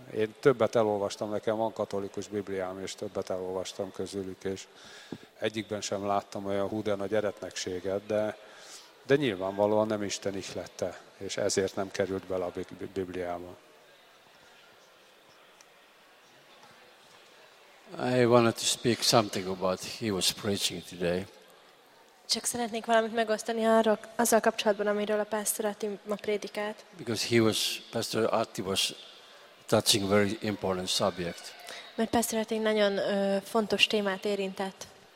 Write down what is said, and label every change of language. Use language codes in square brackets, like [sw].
[hu] Én többet elolvastam, nekem van katolikus Bibliám, és többet elolvastam közülük, és egyikben sem láttam olyan hú de nagy eretnekséget, de nyilvánvalóan nem Isten ihlette, és ezért nem került bele a Bibliába. [en] I wanted to speak something about he was preaching today. [hu] Csak szeretnék valamit megosztani arról, azzal kapcsolatban, amiről a Pastor Atti ma prédikált. [en] Because Pastor Atti was touching a very important subject. [hu] Mert Pastor Atti nagyon fontos témát érintett.